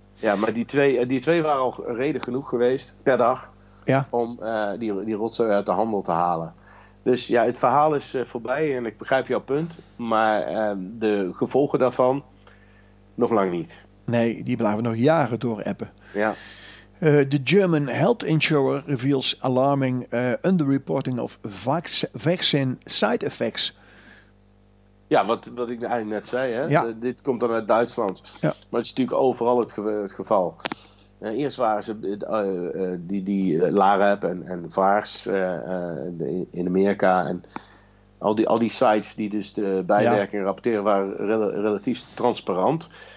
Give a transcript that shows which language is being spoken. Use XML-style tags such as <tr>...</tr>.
<nl>Ja, maar die twee waren al reden genoeg geweest per dag. Ja. Om die rotzooi uit de handel te halen. Dus ja, het verhaal is voorbij en ik begrijp jouw punt. Maar de gevolgen daarvan nog lang niet. Nee, die blijven nog jaren door appen. Ja.</nl> <en>De German Health Insurer reveals alarming underreporting of vaccine side effects.</en> <nl>Ja, wat ik eigenlijk net zei, hè? Ja. Dit komt dan uit Duitsland. Ja. Maar het is natuurlijk overal het geval. Eerst waren ze die LAREP en VARS in Amerika. En al die sites die dus de bijwerking rapporteren waren relatief transparant.</nl>